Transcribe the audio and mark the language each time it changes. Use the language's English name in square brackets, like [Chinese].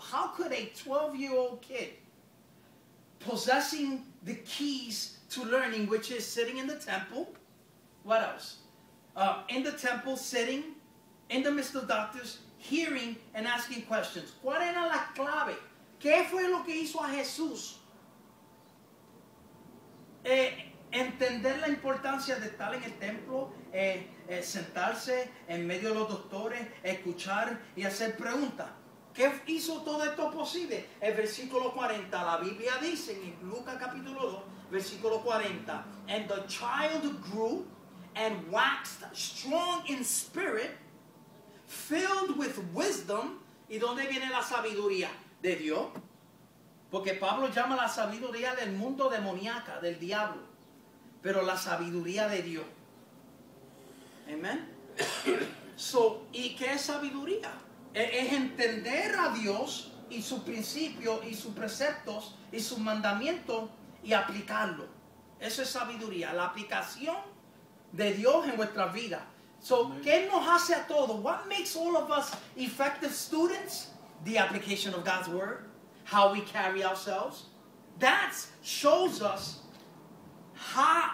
[English] How could a 12-year-old kid possessing the keys to learning, which is sitting in the temple. What else? In the temple, sitting in the midst of doctors, hearing and asking questions. [Spanish] ¿Cuál era la clave? ¿Qué fue lo que hizo a Jesús entender la importancia de estar en el templo, sentarse en medio de los doctores, escuchar y hacer preguntas? ¿Qué hizo todo esto posible? El versículo 40, la Biblia dice en Lucas capítulo 2, versículo 40, [English] and the child grew and waxed strong in spirit, filled with wisdom. [Spanish] ¿Y dónde viene la sabiduría? De Dios. Porque Pablo llama la sabiduría del mundo demoníaca, del diablo. Pero la sabiduría de Dios. Amen. So, ¿y qué es sabiduría? Es entender a Dios y sus principios y sus preceptos y sus mandamientos y aplicarlo. Eso es sabiduría, la aplicación de Dios en vuestra vida. [English] So, [Spanish] ¿qué nos hace a todos? [English] What makes all of us effective students? The application of God's word, how we carry ourselves. That shows us how